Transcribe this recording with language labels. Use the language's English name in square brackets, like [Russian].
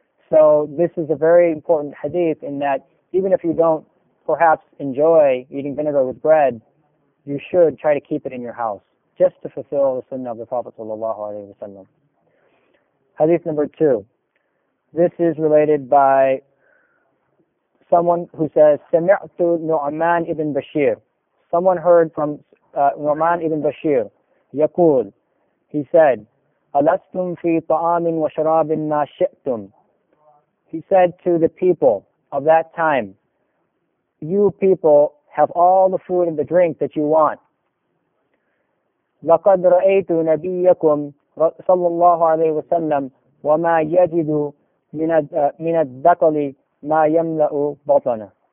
[English] So this is a very important hadith in that even if you don't perhaps enjoy eating vinegar with bread, you should try to keep it in your house, just to fulfill the sunnah of the Prophet sallallahu alayhi wa sallam. Hadith number two. This is related by someone who says, [Arabic] سَمِعْتُ [English] نُعْمَان ibn Bashir. Someone heard from نُعْمَان ibn Bashir. [Arabic] يَقُول. [English] He said, [Arabic] أَلَسْتُمْ فِي طَعَامٍ وَشَرَابٍ مَا شِئْتُمْ. [English] He said to the people of that time, you people have all the food and the drink that you want. [Arabic] لَقَدْ رَأَيْتُ نَبِيَّكُمْ صَلَّى اللَّهُ عَلَيْهِ وَسَلَّمْ وَمَا يَجِدُ مِنَ الدَّقَلِ مَا يَمْلَأُ بَطَنَ.